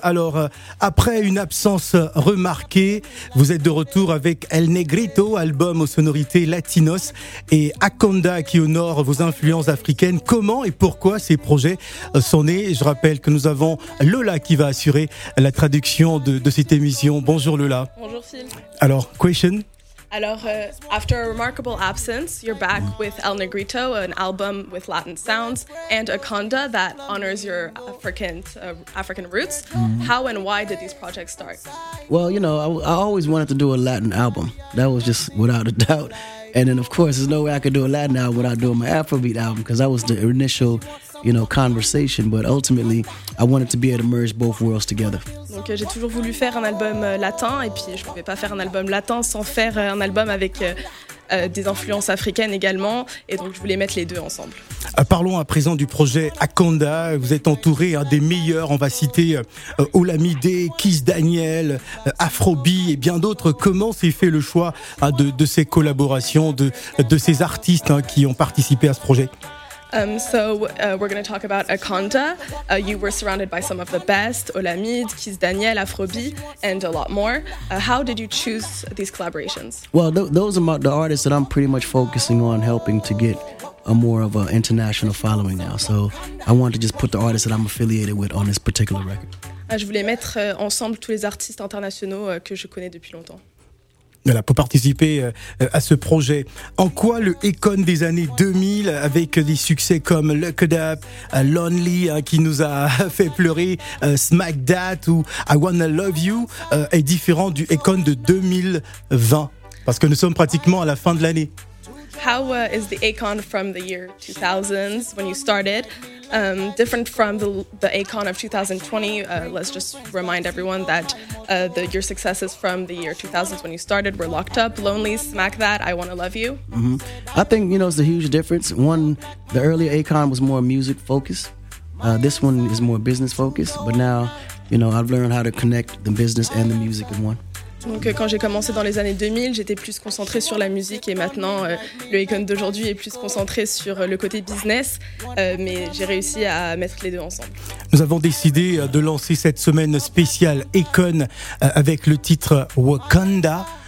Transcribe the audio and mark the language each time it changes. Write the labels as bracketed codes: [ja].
[fr] Alors, après une absence remarquée, vous êtes de retour avec El Negrito, album aux sonorités latinos, et Akonda qui honore vos influences africaines. Comment et pourquoi ces projets sont nés? Je rappelle que nous avons Lola qui va assurer la traduction de cette émission. Bonjour Lola. Bonjour Phil. Alors, question? [en] Alors, after a remarkable absence, you're back with El Negrito, an album with Latin sounds, and Akonda that honors your African roots. Mm-hmm. How and why did these projects start? Well, you know, I always wanted to do a Latin album. That was just without a doubt. And then, of course, there's no way I could do a Latin album without doing my Afrobeat album, because that was the initial, you know, conversation. But ultimately, I wanted to be able to merge both worlds together. [fr] Donc, j'ai toujours voulu faire un album latin, et puis je ne pouvais pas faire un album latin sans faire un album avec des influences africaines également, et donc je voulais mettre les deux ensemble. Parlons à présent du projet Akonda. Vous êtes entouré des meilleurs, on va citer Olamide, Kiss Daniel, Afrobeat et bien d'autres. Comment s'est fait le choix de ces collaborations, de ces artistes qui ont participé à ce projet? [en] We're going to talk about Akonda. You were surrounded by some of the best, Olamide, Kiss Daniel, Afrobeat, and a lot more. How did you choose these collaborations? Well, those are the artists that I'm pretty much focusing on helping to get a more of an international following now. So I wanted to just put the artists that I'm affiliated with on this particular record. [fr] Je voulais mettre ensemble tous les artistes internationaux que je connais depuis longtemps. Voilà, pour participer à ce projet. En quoi le Akon des années 2000, avec des succès comme Luck It Up, Lonely, qui nous a fait pleurer, Smack That ou I Wanna Love You, est différent du Akon de 2020? Parce que nous sommes pratiquement à la fin de l'année. [en] How is the Akon from the year 2000s, when you started, different from the Akon of 2020? Let's just remind everyone that your successes from the year 2000s when you started were Locked Up, Lonely, Smack That, I Wanna Love You. Mm-hmm. I think, you know, it's a huge difference. One, the earlier Akon was more music focused. This one is more business focused. But now, you know, I've learned how to connect the business and the music in one. [fr] Donc quand j'ai commencé dans les années 2000, j'étais plus concentrée sur la musique, et maintenant le Akon d'aujourd'hui est plus concentré sur le côté business, mais j'ai réussi à mettre les deux ensemble. Nous avons décidé de lancer cette semaine spéciale Akon avec le titre Wakanda.